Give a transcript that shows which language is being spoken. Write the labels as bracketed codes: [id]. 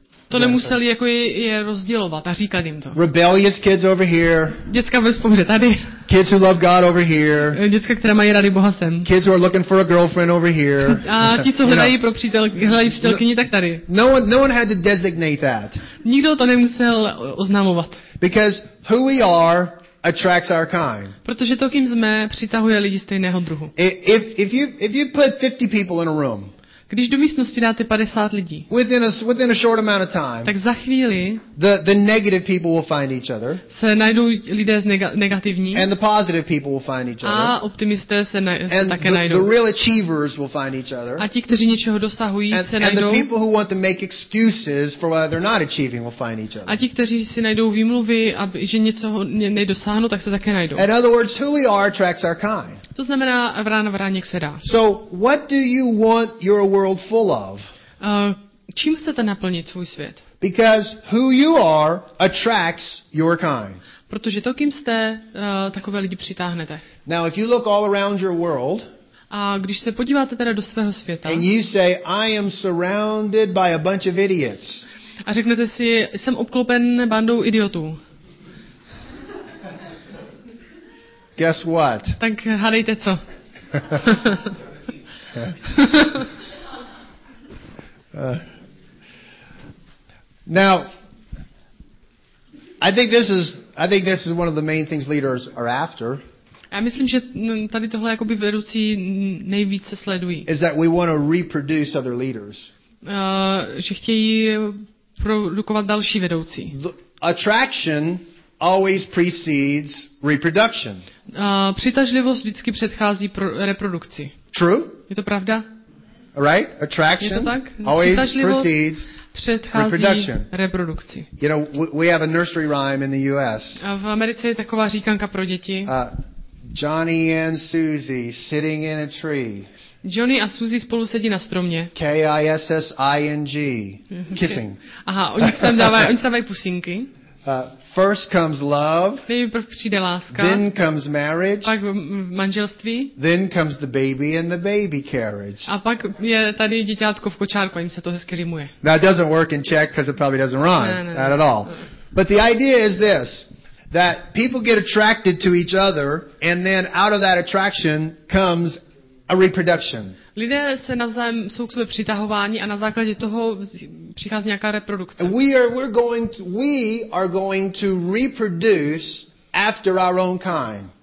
[cs] To nemuseli jako je rozdělovat a říkat jim to. [en] Rebellious kids over here. [cs] Děcka ve vzpouře tady. [en] Kids who love God over here. [cs] Děcka, která mají rady Boha sem. [en] Kids who are looking for a girlfriend over here. [cs] A ti, co hledají pro přítelkyni, tak tady. [en] No one had to designate that. [cs] Nikdo to nemusel oznamovat. [en] Because who we are attracts our kind. [cs] Protože to, kým jsme, přitahuje lidi stejného druhu. [en] If you put 50 people in a room. [cs] Když do místnosti dáte 50 lidí. [en] Within a short amount of time. [cs] Tak za chvíli. [en] The negative people will find each other. [cs] Se najdou lidé z negativní. [en] And the positive people will find each other. [cs] A optimisté se také najdou. [en] And the real achievers will find each other. [cs] A ti, kteří něčeho dosahují, se najdou. [en] And the people who want to make excuses for why they're not achieving will find each other. [cs] A ti, kteří si najdou výmluvy, aby že něco nedosáhnou, tak se také najdou. [en] In other words, who we are attracts our kind. [cs] To znamená, vrána vráněk se dá. [en] So, what do you want your world full of? [cs] Čím chcete naplnit svůj svět? [en] Because who you are attracts your kind. [cs] Protože to, kým jste, takové lidi přitáhnete. [en] Now, if you look all around your world, [cs] a když se podíváte teda do svého světa, [en] and you say, I am surrounded by a bunch of idiots. [cs] A řeknete si, jsem obklopen bandou idiotů. [en] Guess what? [cs] Tak hádejte co. [en] Now, I think this is one of the main things leaders are after. [cs] Já myslím, že tady tohle jakoby vedoucí nejvíce sledují. [en] Is that we want to reproduce other leaders. [cs] Že chtějí produkovat další vedoucí. [en] Attraction always precedes reproduction. [cs] Přitažlivost vždycky předchází reprodukci. [en] True? [cs] Je to pravda? [en] Right? Attraction. [cs] Je to tak? [en] Always precedes reproduction. [cs] Reprodukci. [en] You know, we have a nursery rhyme in the US. [cs] V Americe je taková říkanka pro děti. [en] Johnny and Susie sitting in a tree. [cs] Johnny a Susie spolu sedí na stromě. [en] K-I-S-S-I-N-G. Kissing. [cs] Aha, oni tam dávají pusinky. [en] First comes love. [cs] Nejprv přijde láska. [en] Then comes marriage. [cs] Pak manželství. [en] Then comes the baby and the baby carriage. [cs] A pak je tady děťátko v kočárku, a jim se to hezky rýmuje. [en] Now it doesn't work in Czech because it probably doesn't rhyme. Not at all. But the idea is this, that people get attracted to each other and then out of that attraction comes a reproduction. [cs] Lidé se navzájem jsou k sobě přitahováni a na základě toho přichází nějaká reprodukce. [en] We are going to reproduce after our own kind.